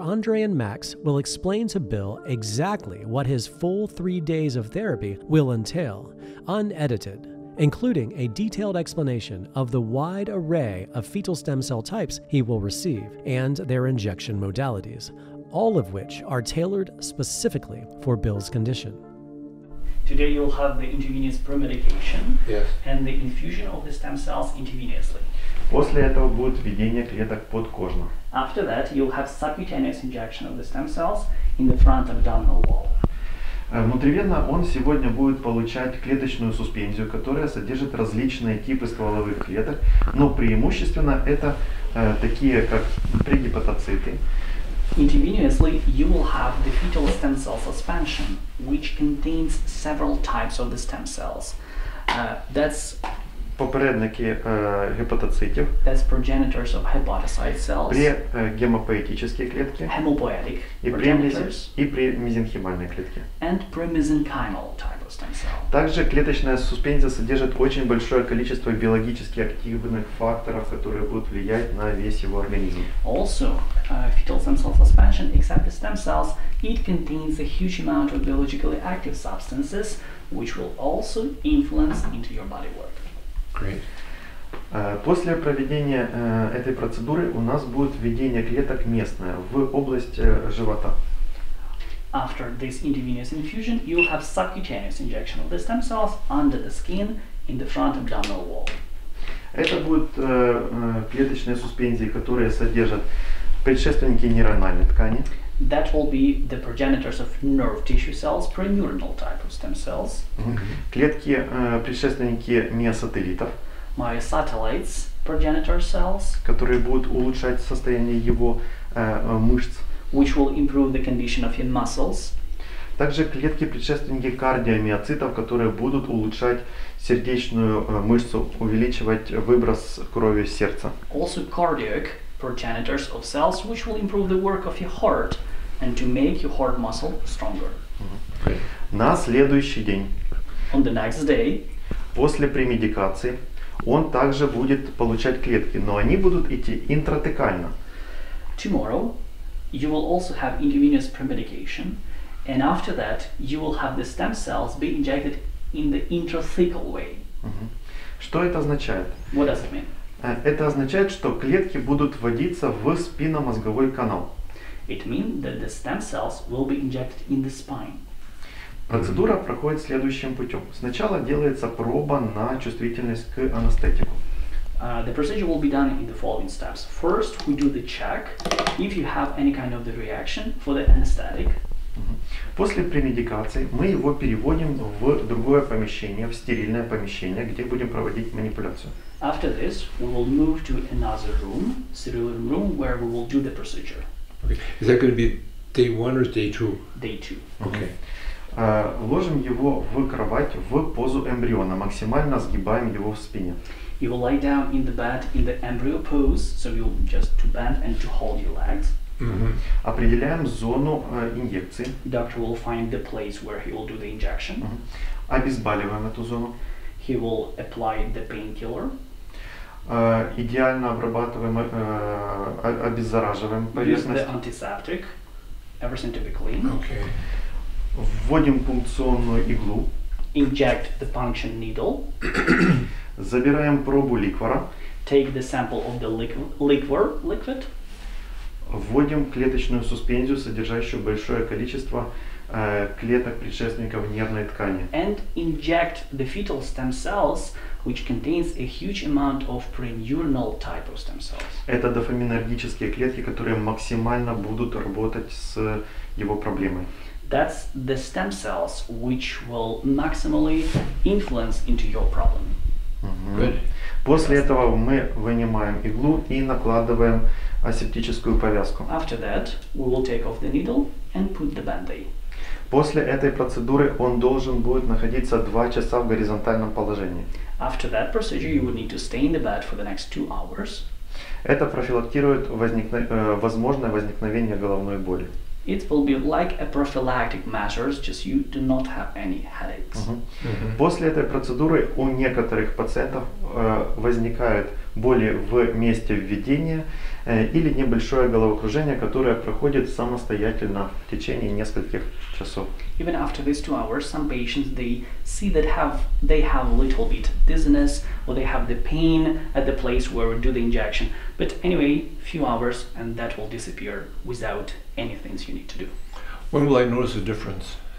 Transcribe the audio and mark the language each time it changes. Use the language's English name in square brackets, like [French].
[English] Andre and Max will explain to Bill exactly what his full 3 days of therapy will entail, unedited, including a detailed explanation of the wide array of fetal stem cell types he will receive and their injection modalities, all of which are tailored specifically for Bill's condition. Today you'll have the intravenous pre-medication, yes, and the infusion of the stem cells intravenously. [Russian] После этого будет введение клеток подкожно. [English] After that, you'll have subcutaneous injection of the stem cells in the front abdominal wall. [Russian] Внутривенно он сегодня будет получать клеточную суспензию, которая содержит различные типы стволовых клеток, но преимущественно это такие как прегепатоциты. [English] Intravenously, you will have the fetal stem cell suspension, which contains several types of the stem cells. That's [Ukrainian] попередники гепатоцитів. [English] That's progenitors of hepatocyte cells. [Russian] При гемопоэтические клетки. [English] Hemopoietic [Russian] и [English] progenitors. [Russian] При мезенхимальной клетке. [English] And premesenchymal type of stem cell. [Russian] Также клеточная суспензия содержит очень большое количество биологически активных факторов, которые будут влиять на весь его организм. [English] Also, fetal stem cell suspension, except the stem cells, it contains a huge amount of biologically active substances, which will also influence into your body work. [Russian] После проведения этой процедуры у нас будет введение клеток местное в область живота. [English] After this intravenous infusion, you will have subcutaneous injection of the stem cells under the skin in the front abdominal wall. [Russian] Это будут клеточные суспензии, которые содержат предшественники нейрональной ткани. [English] That will be the progenitors of nerve tissue cells, preneuronal type of stem cells. [Russian] Клетки предшественники миосателлитов. [English] Myosatellites, progenitor cells. [Russian] Которые будут улучшать состояние его мышц. [English] Which will improve the condition of his muscles. [Russian] Также клетки предшественники кардиомиоцитов, которые будут улучшать сердечную мышцу, увеличивать выброс крови из сердца. [English] Also cardiac progenitors of cells which will improve the work of your heart and to make your heart muscle stronger. [Russian] На следующий день, [English] on the next day, [Russian] после премедикации, он также будет получать клетки, но они будут идти интратекально. [English] Tomorrow you will also have intravenous premedication, and after that you will have the stem cells be injected in the intrathecal way. [Russian] Что это означает? [English] What does it mean? [Russian] Это означает, что клетки будут вводиться в спинномозговой канал. [English] It means that the stem cells will be injected in the spine. [Russian] Процедура проходит следующим путем. Сначала делается проба на чувствительность к анестетику. [English] The procedure will be done in the following steps. First, we do the check if you have any kind of the reaction for the anesthetic. [Russian] После премедикации мы его переводим в другое помещение, в стерильное помещение, где будем проводить манипуляцию. [English] After this, we will move to another room, sterile room, where we will do the procedure. Okay. Is that going to be day one or day two? Day two. Okay. [Russian] Ложим его в кровать в позу эмбриона, максимально сгибаем его в спине. [English] You will lie down in the bed in the embryo pose, so you just to bend and to hold your legs. [Russian] Определяем зону инъекции. [English] Doctor will find the place where he will do the injection. [Russian] Обезболиваем эту зону. [English] He will apply the painkiller. [Russian] Идеально обрабатываем, обеззараживаем поверхность. [English] Use the antiseptic. Everything to be clean. Okay. [Russian] Вводим пункционную иглу. [English] Inject the puncture needle. [Russian] Забираем пробу ликвора. [English] Take the sample of the liquid. [Russian] Вводим клеточную суспензию, содержащую большое количество клеток предшественников нервной ткани. [English] And inject the fetal stem cells, which contains a huge amount of preneuronal type of stem cells. [Russian] Это дофаминергические клетки, которые максимально будут работать с его проблемой. [English] That's the stem cells, which will maximally influence into your problem. Good. [Russian] После этого мы вынимаем иглу и накладываем асептическую повязку. [English] After that, we will take off the needle and put the band-aid. [Russian] После этой процедуры он должен будет находиться 2 часа в горизонтальном положении. [English] After that procedure, you would need to stay in the bed for the next 2 hours. [Russian] Это профилактирует возможное возникновение головной боли. [English] It will be like a prophylactic measure, just you do not have any headaches. [Russian] После этой процедуры у некоторых пациентов возникают боли в месте введения или небольшое головокружение, которое проходит самостоятельно в течение нескольких часов. [English] Even after these 2 hours, some patients they see that they have a little bit dizziness or they have the pain at the place where we do the injection. But anyway, few hours and that will disappear without any things you need to do. When will I notice a difference?